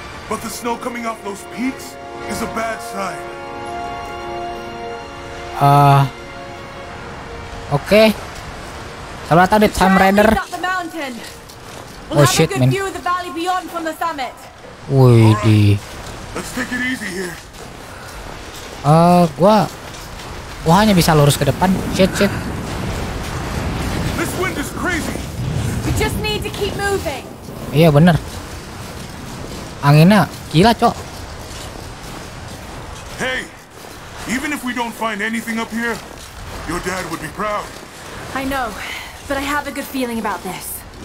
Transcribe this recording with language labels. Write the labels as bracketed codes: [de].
[en] But the snow coming off those peaks is a bad sign. [id] Okay. Selamat datang di Tomb Raider. [en] We'll oh shit, man. View of the valley beyond from the summit. Widi. Let's take it easy here. [id] Gua hanya bisa lurus ke depan. [en] Shit. This wind is crazy. We just need to keep moving. [id] Iya, benar. Anginnya gila, cok. [en] Hey, even if we don't find anything up here, your dad would be proud. I know, but I have a good feeling about this.